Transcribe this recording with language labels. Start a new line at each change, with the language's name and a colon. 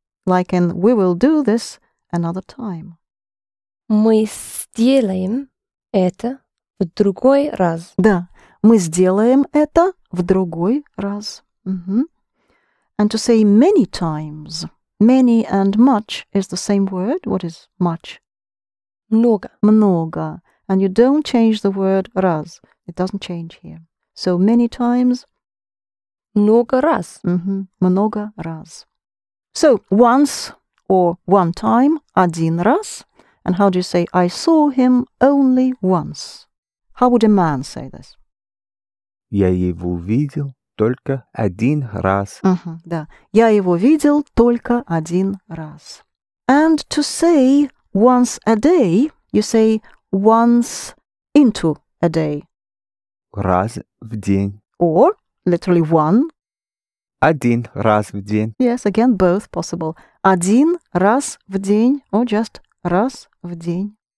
English: Like in we will do this another time.
Russian: Мы сделаем это в другой раз. Да, мы сделаем это в другой раз. Mm-hmm.
English: And to say many times, many and much is the same word. What is much?
Russian: Много.
English: Много. And you don't change the word раз. It doesn't change here. So many times.
Russian: Много раз.
English: Mm-hmm.
Russian: Много раз.
English: So once. Or one time,
Russian: один раз.
English: And how do you say, I saw him only once? How would a man say this?
Russian: Я его видел только один раз. Uh-huh, да. Я его видел только один раз.
English: And to say once a day, you say once into a day.
Russian: раз в день.
English: Or, literally one.
Russian: Один раз в день.
English: Yes, again, both possible.
Russian: Один раз в день,
English: or just
Russian: раз в день.